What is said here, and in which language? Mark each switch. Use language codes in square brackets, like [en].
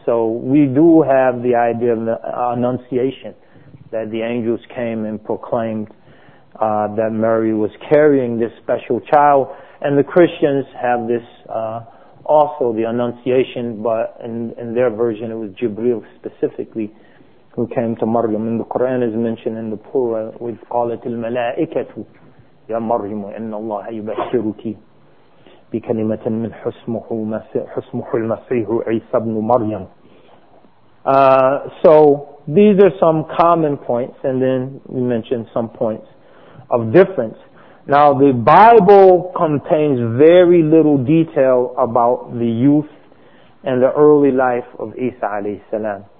[en] So we do have the idea of the Annunciation, that the angels came and proclaimed that Mary was carrying this special child. And the Christians have this also, the Annunciation, but in their version it was Jibril specifically who came to Maryam. And the Quran is mentioned in the plural with [ar] قَالَتِ الْمَلَائِكَةُ يَا مَرْيَمُ إِنَّ اللَّهَ يُبَشِّرُكِ بكلمة من حسمه المسيح عيسى بن مريم. [en] So these are some common points, and then we mentioned some points of difference. Now the Bible contains very little detail about the youth and the early life of Isa alayhi salam.